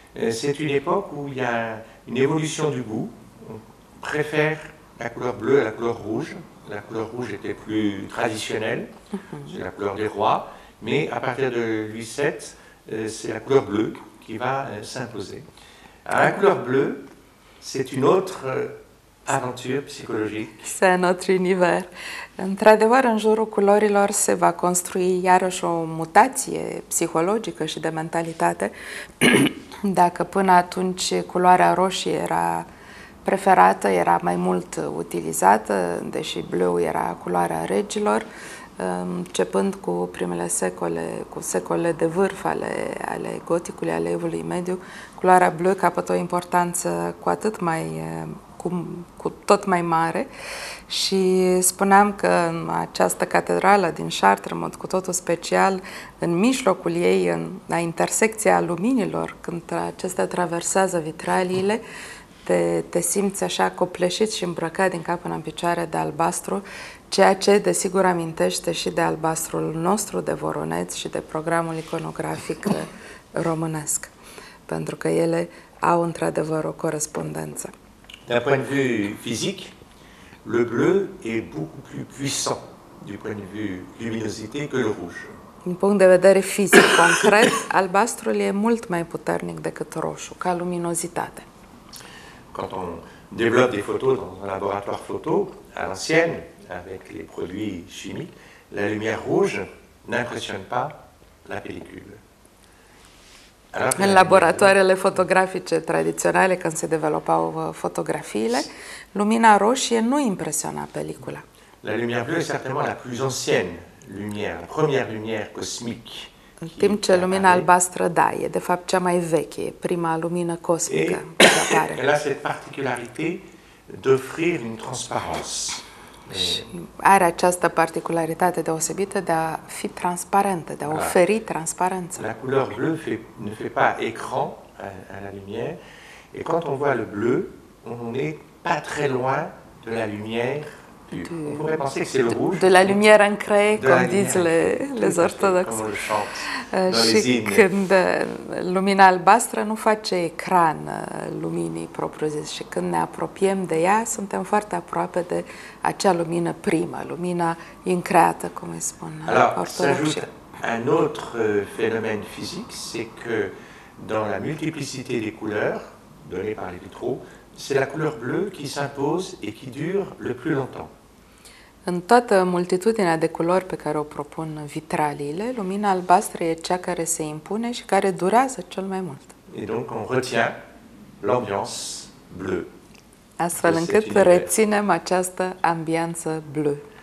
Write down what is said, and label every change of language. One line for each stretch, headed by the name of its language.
French: C'est une époque où il y a une évolution du goût. On préfère la couleur bleue à la couleur rouge. La couleur rouge était plus traditionnelle, c'est la couleur des rois. Mais à partir de Louis VII, c'est la couleur bleue qui va s'imposer. Alors, la couleur bleue, c'est une autre aventure psychologique. C'est un autre univers.
Romanian: Într-adevăr, în jurul culorilor se va construi iarăși o mutație psihologică și de mentalitate. Dacă până atunci culoarea roșie era preferată, era mai mult utilizată, deși bleu era culoarea regilor, începând cu primele secole, cu secolele de vârf ale goticului, ale evului mediu, culoarea bleu capătă o importanță cu atât mai cu tot mai mare și spuneam că această catedrală din Chartres, în mod cu totul special, în mijlocul ei, în la intersecția luminilor, când acestea traversează vitraliile, te simți așa copleșit și îmbrăcat din cap până în picioare de albastru, ceea ce desigur amintește și de albastrul nostru de Voronezh și de programul iconografic românesc, pentru că ele au într-adevăr o corespondență.
French: D'un point de vue physique, le bleu est beaucoup plus puissant du point de vue luminosité que le rouge.
Romanian: Din punct de vedere fizic concret, albastrul e mult mai puternic decât roșu ca luminozitate.
French: Quand on développe des photos dans un laboratoire photo à l'ancienne avec les produits chimiques, la lumière rouge n'impressionne pas la pellicule.
Romanian: În laboratoarele fotografice tradiționale, când se developau fotografiile, lumina roșie nu impresiona pelicula.
French: La lumière bleue est certainement la plus ancienne lumière, la première lumière cosmique.
Romanian: În timp ce lumina albastră, da, e de fapt cea mai veche, prima lumină cosmică.
French: Elle a cette particularité d'offrir une transparence.
Romanian: Are această particularitate deosebită de a fi transparentă, de a oferi transparență.
French: La couleur bleue ne fait pas écran à la lumière. Et quand on voit le bleu, on n'est pas très loin de la lumière pure. On pourrait penser que c'est le rouge. De la lumière ancrée, comme disent les orthodoxes. Comme on le chante dans les hymnes.
Romanian: Când lumina albastră nu face ecran luminii propriu-zis și când ne apropiem de ea, suntem foarte aproape de acea lumină primă, lumina increată, cum îi spun ortodoxii.
French: Un autre phénomène physique, c'est que dans la multiplicité des couleurs données par les vitraux, c'est la couleur bleue qui s'impose et qui dure le plus longtemps.
Romanian: În toată multitudinea de culori pe care o propun vitraliile, lumina albastră e cea care se impune și care durează cel mai mult.
French: Et donc on retient l'ambiance bleue.
Romanian: Astfel încât reținem această ambianță bleue.